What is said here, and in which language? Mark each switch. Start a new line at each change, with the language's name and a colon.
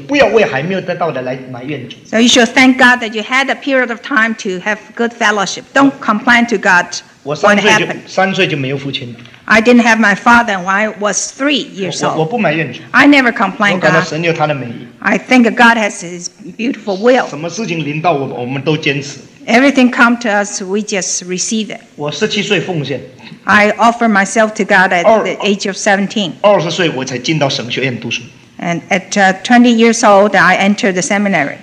Chinese: 所以你要为曾经有过的美好日子感谢主，不要为还没有得到的来埋怨主。
English: So you should thank God that you had a period of time to have good fellowship. Don't complain to God. I didn't have my father when I was 3 years old.
Chinese: 我不埋怨主。
English: I never complained God.
Chinese: 我感到神有他的美意。
English: I think God has His beautiful will.
Chinese: 什么事情临到我们，我们都坚持。
English: Everything come to us, we just receive it.
Chinese: 我17岁奉献。
English: I offer myself to God at the age of 17.
Chinese: 20岁我才进到神学院读书。
English: And at 20 years old, I entered the seminary.